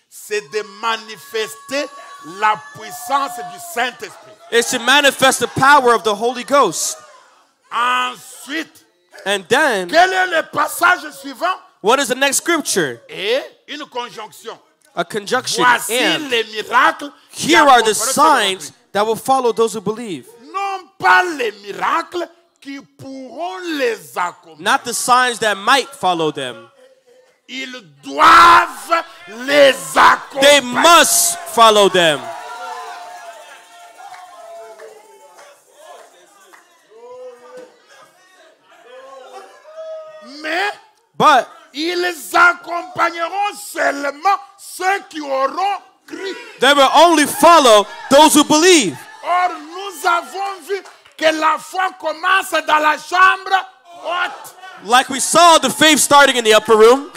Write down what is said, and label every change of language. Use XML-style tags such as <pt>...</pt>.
<fr>c'est de manifester la puissance du Saint-Esprit.</fr> <en>It's to manifest the power of the Holy Ghost.</en> <fr>Ensuite,</fr> <en>and then,</en> <fr>quel est le passage suivant?</fr> <en>What is the next scripture?</en> <fr>Et une conjonction.</fr> <en>A conjunction.</en> <fr>Voici</fr> <en>and</en> <fr>les miracles.</fr> <en>Here are the signs that will follow those who believe.</en> <fr>Non pas les miracles qui pourront les accompagner.</fr> <en>Not the signs that might follow them.</en> <fr>Ils doivent les accompagner.</fr> <en>They must follow them. But</en> <fr>ils accompagneront seulement ceux qui auront cru.</fr> <en>They will only follow those who believe.</en> <fr>Or, nous avons vu que la foi commence dans la chambre haute.</fr> <en>Like we saw, the faith starting in the upper room.</en>